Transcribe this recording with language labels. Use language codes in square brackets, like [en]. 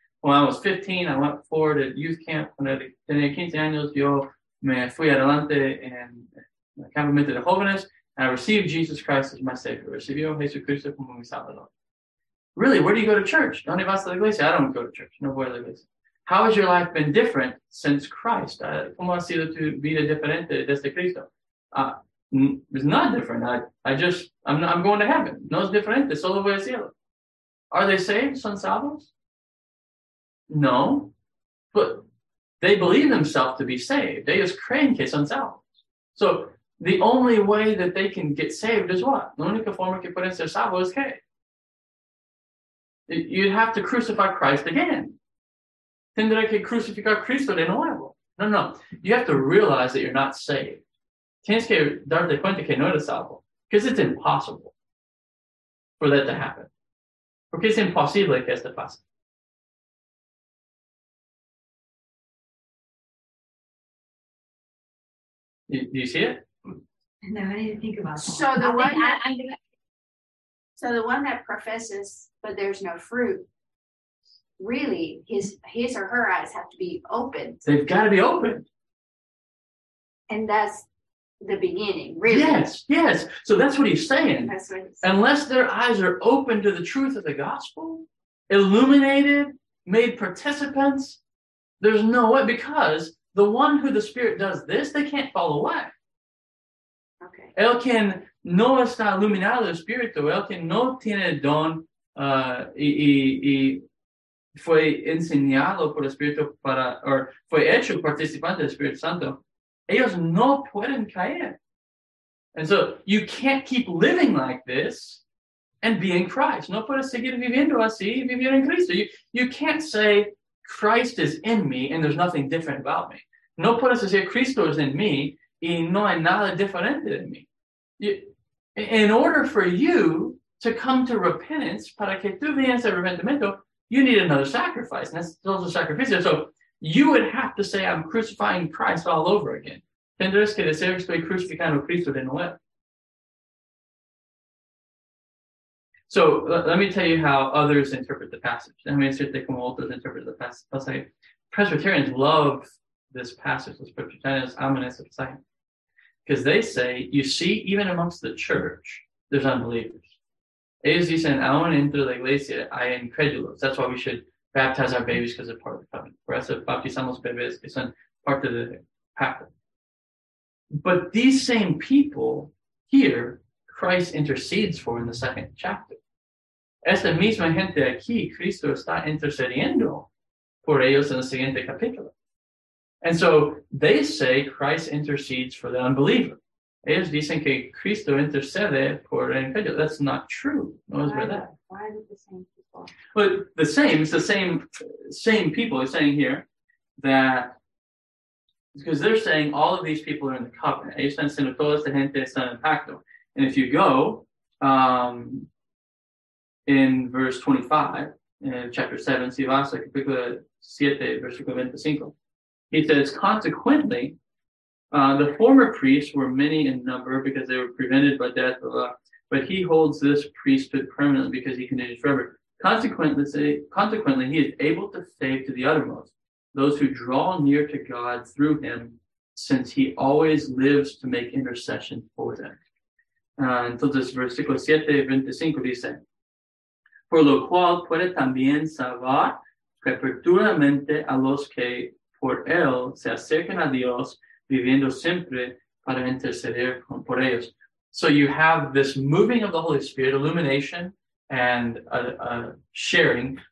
[en] When I was 15, I went forward at youth camp. When I [es] tenía 15 años, yo me fui adelante en el campamento de jóvenes. [en] And I received Jesus Christ as my Savior. [es] Recibió Jesucristo como mi Salvador. [en] Really, where do you go to church? [es] ¿Dónde vas a la iglesia? [en] I don't go to church. [es] No voy a la iglesia. [en] How has your life been different since Christ? [es] ¿Cómo ha sido tu vida diferente desde Cristo? [en] It's not different. I'm going to heaven. [es] No es diferente. Solo voy al cielo. [en] Are they saved? [es] Son salvos? No. [en] But they believe themselves to be saved. They just [es] creen que son salvos. [en] So the only way that they can get saved is what? [es] La única forma que pueden ser salvos es que. [en] You'd have to crucify Christ again. [es] Tendré que crucificar Cristo de nuevo. No. [en] You have to realize that you're not saved. [es] Tienes que darte cuenta que no eres salvo. [en] Because it's impossible for that to happen. [es] Porque es imposible que esto pase. [en] Do you see it? No, I need to think about that. So the one that professes, but there's no fruit, really, his or her eyes have to be opened. They've got to be opened. And that's the beginning, really. Yes. So that's what he's saying. That's what he's saying. Unless their eyes are open to the truth of the gospel, illuminated, made participants, there's no way, because the one who the Spirit does this, they can't fall away. Okay. [es] El quien no está iluminado el Espíritu, el quien no tiene don y fue enseñado por el Espíritu para, o fue hecho participante del Espíritu Santo, ellos no pueden caer. [en] And so you can't keep living like this and be in Christ. [es] No puedes seguir viviendo así y vivir en Cristo. [en] You can't say Christ is in me and there's nothing different about me. [es] No puedes decir Cristo es en mí y no hay nada diferente en mí. [en] In order for you to come to repentance, [es] para que tú vienes a arrepentimiento, [en] you need another sacrifice. And that's also sacrificio. So you would have to say, I'm crucifying Christ all over again. [es] Tendrás que decir, estoy crucificando Cristo de nuevo. [en] So let me tell you how others interpret the passage. Let me [es] decirte cómo otros [en] interpret the passage. Presbyterians love this passage. [es] Los Presbyterians aman este pasaje. [en] Because they say, you see, even amongst the church, there's unbelievers. [es] Ellos dicen, aún entre la iglesia hay incrédulos. [en] That's why we should baptize our babies because they're part of the covenant. [es] Por eso bautizamos bebés que son parte de pacto. [en] But these same people here, Christ intercedes for in the second chapter. [es] Esta misma gente aquí, Cristo está intercediendo por ellos en el siguiente capítulo. [en] And so they say Christ intercedes for the unbeliever. [es] Ellos dicen que Cristo intercede por el incrédulo. [en] That's not true. [es] No es verdad. [en] Why are the same people? But the same, it's the same people. He's saying here that, because they're saying all of these people are in the covenant. [es] Ellos están siendo toda esta gente están en pacto. [en] And if you go in verse 25, in chapter 7, [es] si vas a capítulo 7, versículo 25, [en] he says, consequently, the former priests were many in number because they were prevented by death, blah, blah, but he holds this priesthood permanently because he continues forever. Consequently, he is able to save to the uttermost those who draw near to God through him, since he always lives to make intercession for them. [es] Entonces, versículo 7, 25 dice, por lo cual puede también salvar perpetuamente a los que por él se acercan a Dios, viviendo siempre para interceder por ellos. [en] So you have this moving of the Holy Spirit, illumination, and a sharing.